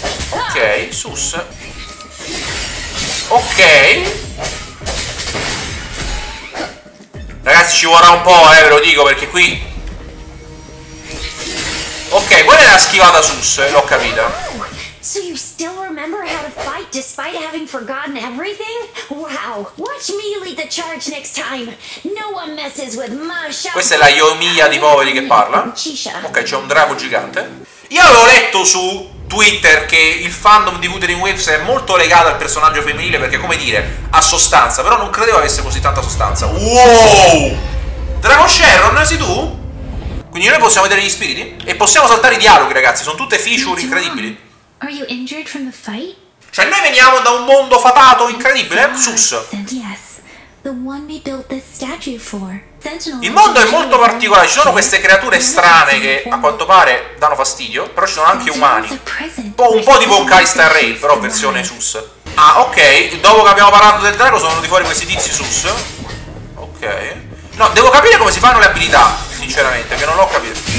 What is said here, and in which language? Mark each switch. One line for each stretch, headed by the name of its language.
Italian: Ok, sus. Ok. Ragazzi, ci vorrà un po', ve lo dico, perché qui... Ok, qual è la schivata sus? L'ho capita.
English: So you still remember how to fight despite having forgotten everything? Wow, watch me lead the charge next time. No one messes with Masha.
Italian: Questa è la Yomiya di poveri che parla. Ok, c'è un drago gigante. Io avevo letto su Twitter che il fandom di Wuthering Waves è molto legato al personaggio femminile, perché, come dire, ha sostanza. Però non credevo avesse così tanta sostanza. Wow! Drago Sharon, sei tu? Quindi noi possiamo vedere gli spiriti e possiamo saltare i dialoghi, ragazzi, sono tutte feature incredibili.
English: Are you injured from the fight?
Italian: Cioè noi veniamo da un mondo fatato incredibile, sus.
English: Yes, the one we built this statue for.
Italian: Il mondo è molto particolare, ci sono queste creature strane che a quanto pare danno fastidio, però ci sono anche umani. Un po' tipo un Kaista Rail, però versione sus. Ah, ok, dopo che abbiamo parlato del drago sono venuti fuori questi tizi sus. Ok. No, devo capire come si fanno le abilità, sinceramente, che non l'ho capito.